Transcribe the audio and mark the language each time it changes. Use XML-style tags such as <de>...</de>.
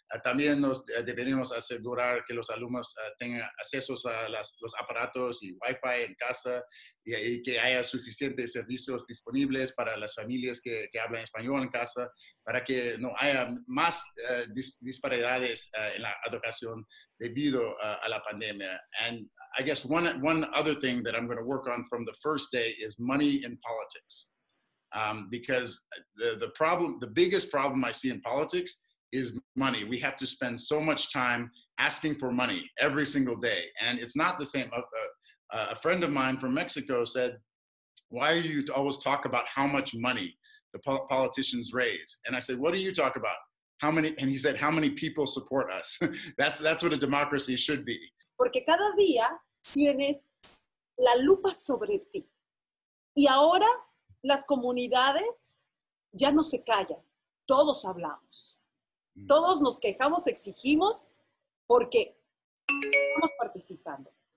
<es>También nos deberíamos asegurar que los alumnos tengan acceso a los aparatos y Wi-Fi en casa y que haya suficientes servicios disponibles para las familias que hablan español en casa, para que no haya más disparidades en la educación debido a la pandemia.</es> <en>And I guess one other thing that I'm going to work on from the first day is money in politics. Because the biggest problem I see in politics is money. We have to spend so much time asking for money every single day. And it's not the same. A friend of mine from Mexico said, why are you always talk about how much money the politicians raise? And I said, what do you talk about? And he said, how many people support us? That's what a democracy should be.</en> <es>Porque cada día tienes la lupa sobre ti. Y ahora las comunidades ya no se callan. Todos hablamos. Todos nos quejamos, exigimos, porque estamos participando.</es>